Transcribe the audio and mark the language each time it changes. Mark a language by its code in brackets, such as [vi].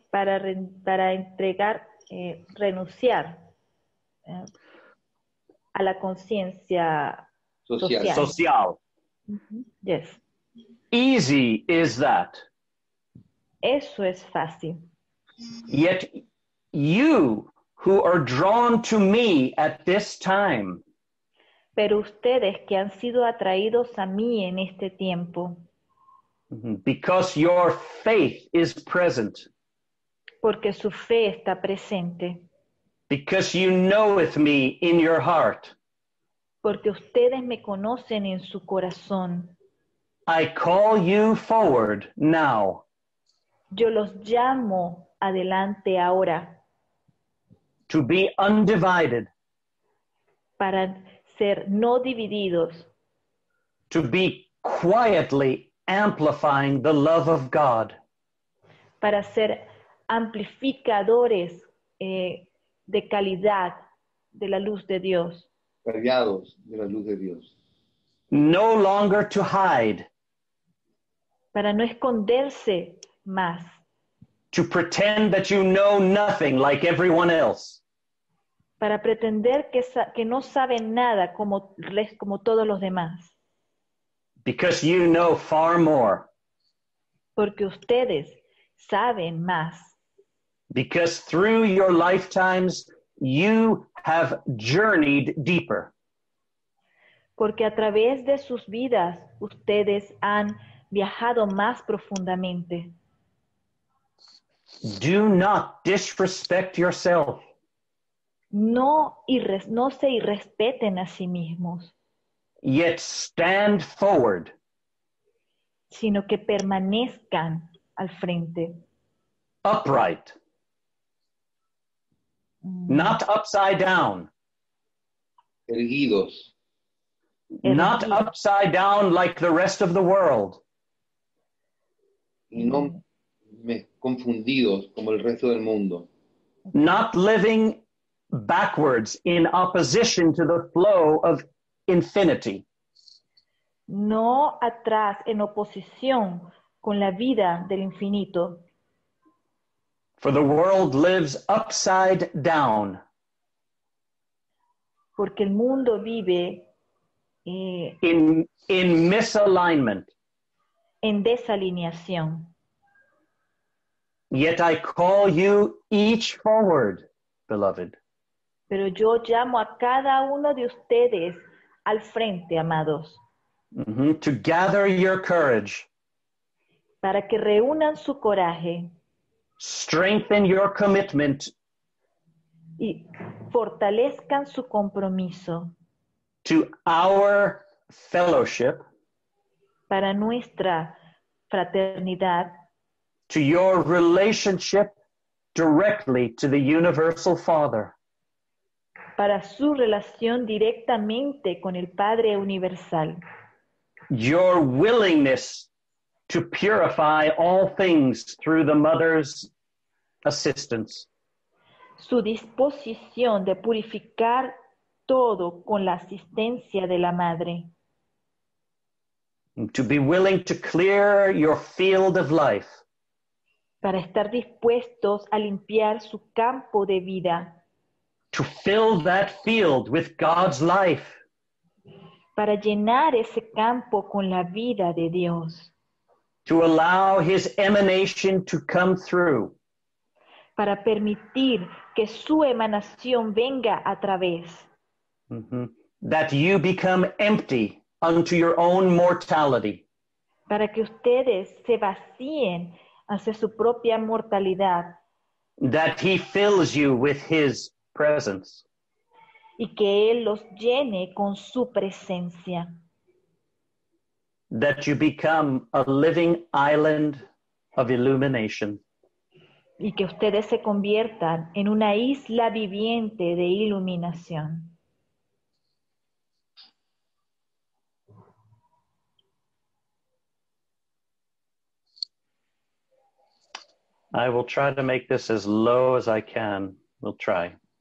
[es] Para entregar, renunciar a la conciencia social. Mm-hmm. [en] Yes. Easy is that. [es] Eso es fácil. [en] Yet you who are drawn to me at this time. [es] Pero ustedes que han sido atraídos a mí en este tiempo. [en] Because your faith is present. [es] Porque su fe está presente. [en] Because you knoweth me in your heart. [es] Porque ustedes me conocen en su corazón. [en] I call you forward now. [es] Yo los llamo adelante ahora. [en] To be undivided. [es] Para ser no divididos. [en] To be quietly amplifying the love of God. [es] Para ser amplificadores de calidad de la luz de Dios. Cargados de la luz de Dios. [en] No longer to hide. [es] Para no esconderse más. [en] To pretend that you know nothing like everyone else. [es] Para pretender que no saben nada como todos los demás. [en] Because you know far more. [es] Porque ustedes saben más. [en] Because through your lifetimes you have journeyed deeper. [es] Porque a través de sus vidas ustedes han viajado más profundamente. [en] Do not disrespect yourself. [es] No se irrespeten a sí mismos. [en] Yet stand forward. [es] Sino que permanezcan al frente. [en] Upright. Not upside down. [es] Erguidos. [en] Not upside down like the rest of the world. [es] Y no confundidos como el resto del mundo. [en] Not living backwards in opposition to the flow of infinity. [es] No atrás en oposición con la vida del infinito. [en] For the world lives upside down. [es] Porque el mundo vive [en] in misalignment. [es] En desalineación. [en] Yet I call you each forward, beloved. [es] Pero yo llamo a cada uno de ustedes al frente, amados. [en] Mm-hmm. To gather your courage. [es] Para que reúnan su coraje. [en] Strengthen your commitment. [es] Y fortalezcan su compromiso. [en] To our fellowship. [es] Para nuestra fraternidad. [en] To your relationship directly to the Universal Father. [es] Para su relación directamente con el Padre Universal. [en] Your willingness to purify all things through the Mother's assistance. [es] Su disposición de purificar todo con la asistencia de la Madre. [en] To be willing to clear your field of life. [es] Para estar dispuestos a limpiar su campo de vida. [en] To fill that field with God's life. [es] Para llenar ese campo con la vida de Dios. [en] To allow his emanation to come through. [es] Para permitir que su emanación venga a través. Mm-hmm. [en] That you become empty unto your own mortality. [es] Para que ustedes se vacíen hacia su propia mortalidad. [en] That he fills you with his presence. [es] Y que él los llene con su presencia. [en] That you become a living island of illumination. [es] Y que ustedes se conviertan en una isla viviente de iluminación. [en] I will try to make this as low as I can. We'll try.